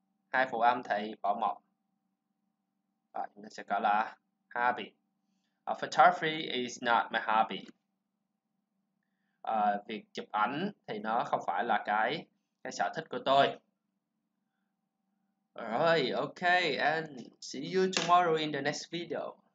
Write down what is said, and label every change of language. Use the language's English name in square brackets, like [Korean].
[Vietnamese] Hai phụ âm thì bỏ một. Chúng ta sẽ có là hobby. [English] Photography is not my hobby. [Vietnamese] Việc chụp ảnh thì nó không phải là cái sở thích của tôi. [English] Alright, okay, and see you tomorrow in the next video.